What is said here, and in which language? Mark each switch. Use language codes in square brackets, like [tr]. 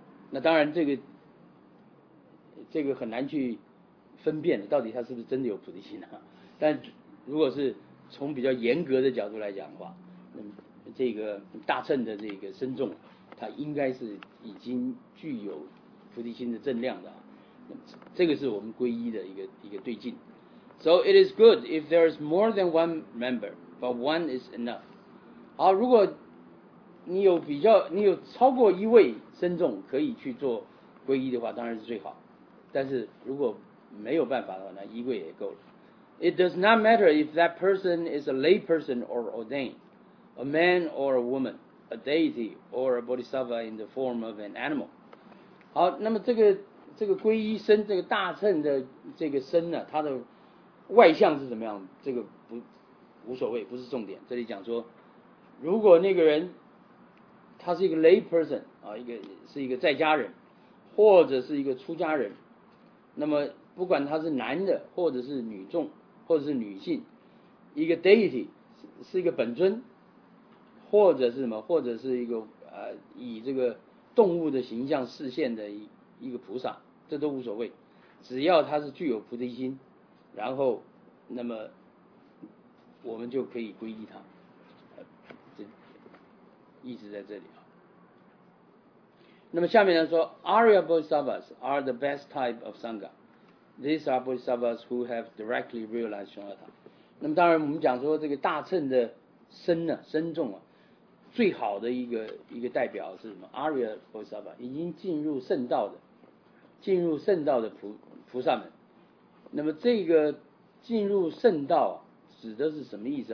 [zh] 那当然，这个很难去分辨到底他是不是真的有菩提心啊。但如果是从比较严格的角度来讲的话，那么这个大乘的这个僧众，他应该是已经具有菩提心的正量的。那么这个是我们皈依的一个对境。 [en] So it is good if there is more than one member, but one is enough. [zh] 好，如果你有超过一位僧众可以去做皈依的话当然是最好，但是如果没有办法的话，那衣柜也够了。 [en] It does not matter if that person is a lay person or ordained, a man or a woman, a deity or a bodhisattva in the form of an animal. [zh] 好，那么这个皈依身，这个大乘的这个身呢，它的外相是怎么样，这个不无所谓，不是重点。这里讲说，如果那个人他是一个 lay person 啊，是一个在家人，或者是一个出家人，那么不管他是男的，或者是女众，或者是女性，一个 deity 是一个本尊，或者是什么，或者是一个以这个动物的形象示现的一个菩萨，这都无所谓，只要他是具有菩提心，然后那么我们就可以皈依他。一直在这里。那么下面呢说 [en] Arya Bodhisattvas are the best type of Sangha. These are Bodhisattvas who have directly realized Shunyata. [zh] 那么当然我们讲说这个大乘的身呢，身众啊，最好的一个代表是什么？ Arya Bodhisattva 已经进入圣道的 菩萨们。那么这个进入圣道指的是什么意思？